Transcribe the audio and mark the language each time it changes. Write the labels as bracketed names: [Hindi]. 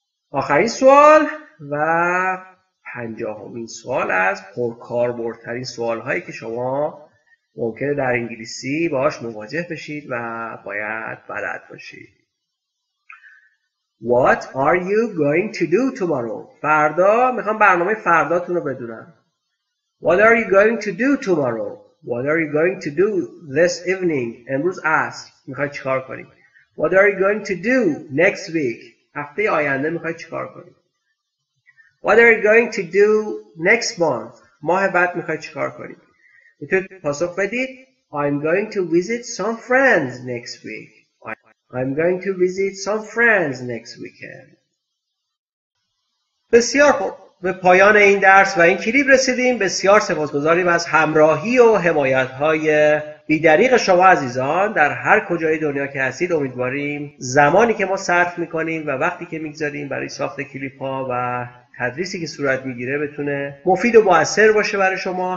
[Persian] آخرین سوال و پنجاهمین سوال از پرکاربردترین سوال هایی که شما ممکنه در انگلیسی باهاش مواجه بشید و باید بلد باشید. [English] What are you going to do tomorrow? [Persian] فردا میخوام برنامه فرداتون رو بدونم. [English] What are you going to do tomorrow? What are you going to do this evening? [Persian] امروز عصر میخوای چیکار کنی؟ [English] What are you going to do next week? [Persian] هفته آینده میخوای چیکار کنی؟ [English] What are you going to do next month? [Persian] ماه بعد میخوای چیکار کنی؟ میتونید پاسخ بدید [English] I'm going to visit some friends next week. I'm going to visit some friends next weekend. [Persian] بسیار خوب. به پایان این درس و این کلیپ رسیدیم. بسیار سپاسگزاریم از همراهی و حمایت‌های بی‌دریغ شما عزیزان در هر کجای دنیا که هستید. امیدواریم زمانی که ما صرف می‌کنیم و وقتی که می‌گذاریم برای ساخت کلیپ‌ها و تدریسی که صورت می‌گیره بتونه مفید و مؤثر باشه برای شما.